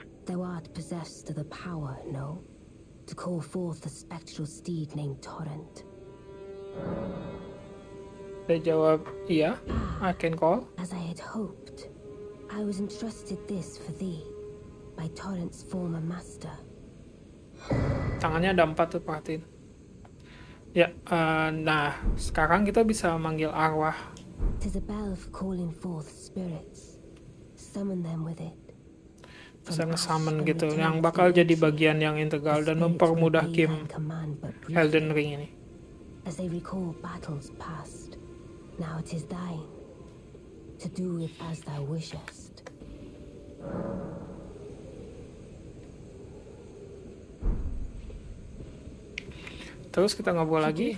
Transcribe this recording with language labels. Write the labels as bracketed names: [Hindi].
[English] Thou art possessed of the power, no? To call forth a spectral steed named Torrent. They jawab, yeah, I can call. As I had hoped, I was entrusted this for thee. By Torrent's former master. [Indonesian] Tangannya ada empat tuh, perhatiin. Ya, nah, sekarang kita bisa manggil arwah. [English] Tis a bell for calling forth spirits. Summon them with it. [Indonesian] Bisa nge-summon gitu, yang bakal jadi bagian yang integral dan mempermudah game Elden Ring ini. [English] As they recall battles past, now it is thine to do it as thou wishest. [Indonesian] Terus kita ngobrol lagi.